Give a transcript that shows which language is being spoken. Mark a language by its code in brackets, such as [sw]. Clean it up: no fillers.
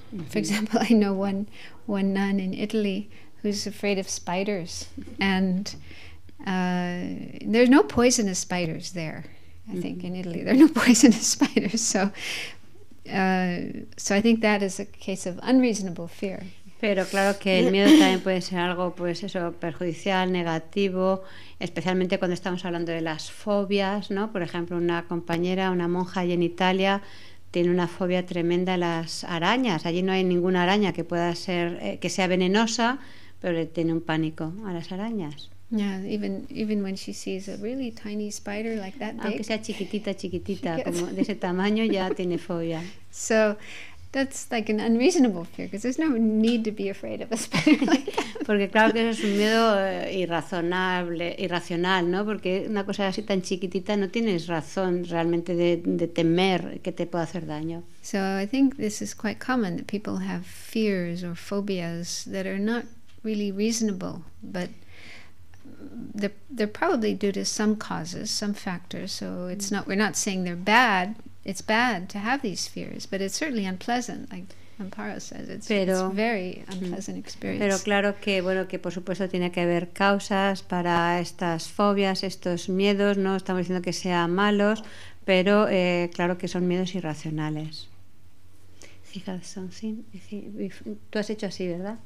[en] Mm-hmm. For example, I know one nun in Italy who's afraid of spiders. And there's no poisonous spiders there, I think, in Italy. There are no poisonous spiders. So I think that is a case of unreasonable fear. [es] Pero claro que el miedo también puede ser algo, pues eso, perjudicial, negativo, especialmente cuando estamos hablando de las fobias, ¿no? Por ejemplo, una compañera, una monja allí en Italia, tiene una fobia tremenda a las arañas. Allí no hay ninguna araña que pueda ser, que sea venenosa, pero le tiene un pánico a las arañas. [en] Yeah, even when she sees a really tiny spider like that big. [es] Aunque sea chiquitita, como de ese tamaño, ya tiene fobia. [en] So that's like an unreasonable fear, because there's no need to be afraid of a spider like that. [es] Porque claro que eso es un miedo irracional, ¿no? Porque una cosa así tan chiquitita no tienes razón realmente de temer que te pueda hacer daño. [en] So I think this is quite common, that people have fears or phobias that are not really reasonable, but they're probably due to some causes, some factors. So it's not, we're not saying they're bad. It's bad to have these fears, but it's certainly unpleasant, like Amparo says. It's very unpleasant experience. [es] Pero claro que, bueno, que por supuesto tiene que haber causas para estas fobias, estos miedos, no estamos diciendo que sean malos, pero claro que son miedos irracionales. [en] He has something. [es] Tú has hecho así, ¿verdad?